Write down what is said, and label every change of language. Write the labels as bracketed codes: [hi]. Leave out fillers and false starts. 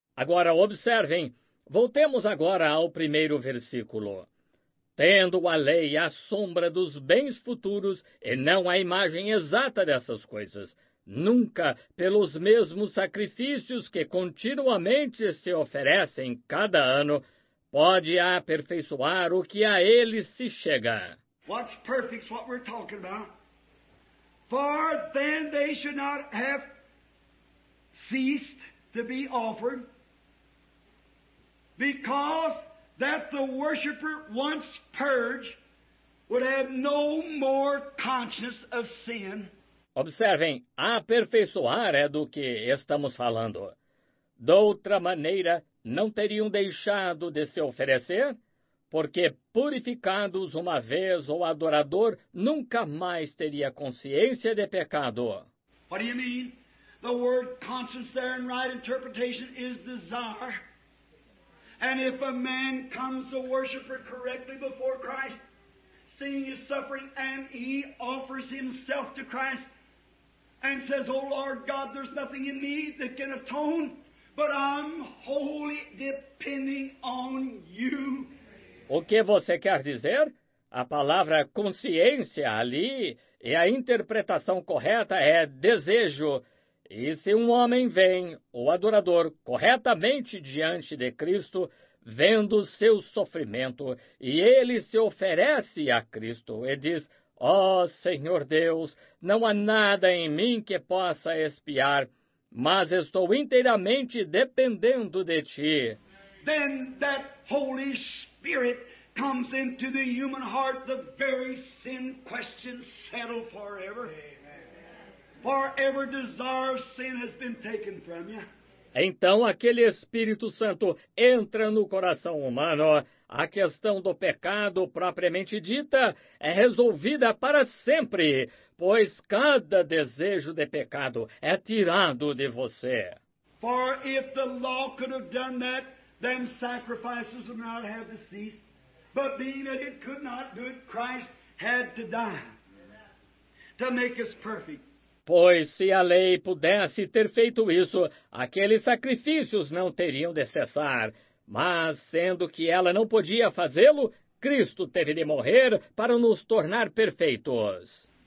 [pt] Agora observem, voltemos agora ao primeiro versículo. Tendo a lei a sombra dos bens futuros e não a imagem exata dessas coisas, nunca pelos mesmos sacrifícios que continuamente se oferecem cada ano, pode aperfeiçoar o que a eles se chega. [en] What's perfect is what we're talking about. For then they should not have ceased to be offered, because that the worshiper once purged would have no more conscience of sin. [pt] Observem, aperfeiçoar é do que estamos falando. De outra maneira, não teriam deixado de se oferecer, porque purificados uma vez o adorador nunca mais teria consciência de pecado. [en] What do you mean? The word conscience there in right interpretation is desire. And if a man comes a worshiper correctly before Christ, seeing his suffering, and he offers himself to Christ, and says, O Lord God, there's nothing in me that can atone, but I'm wholly depending on you. [pt] O que você quer dizer? A palavra consciência ali e a interpretação correta é desejo. E se um homem vem, o adorador, corretamente diante de Cristo, vendo seu sofrimento, e ele se oferece a Cristo e diz, ó Senhor Deus, não há nada em mim que possa espiar, mas estou inteiramente dependendo de ti. [en] Then that Holy Spirit comes into the human heart, the very sin question settled forever. Forever desire of sin has been taken from you. [pt] Então aquele Espírito Santo entra no coração humano. A questão do pecado propriamente dita é resolvida para sempre, pois cada desejo de pecado é tirado de você. [en] For if the law could have done that, then sacrifices would not have ceased. But being that it could not do it, Christ had to die to make us perfect. [pt] Pois se a lei pudesse ter feito isso, aqueles sacrifícios não teriam de cessar. Mas, sendo que ela não podia fazê-lo, Cristo teve de morrer para nos tornar perfeitos.